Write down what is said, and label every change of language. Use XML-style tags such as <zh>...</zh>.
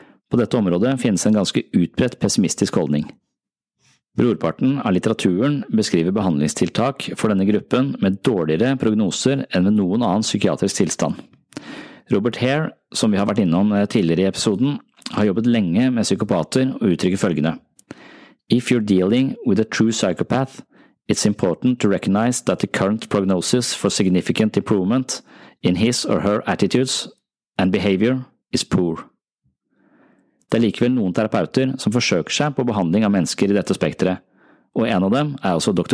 <no>På dette området finnes en ganske utbredt pessimistisk holdning. Brorparten av litteraturen beskriver behandlingstiltak for denne gruppen med dårligere prognoser enn ved noen annen psykiatrisk tilstand. Robert Hare, som vi har vært innom tidligere I episoden, har jobbet lenge med psykopater og uttrykker følgende.</no> <en>If you're dealing with a true psychopath, it's important to recognize that the current prognosis for significant improvement in his or her attitudes and behavior is poor.</en> <no>Det likevel noen terapeuter som forsøker seg på behandling av mennesker I dette spektret, og en av dem også Dr.</no>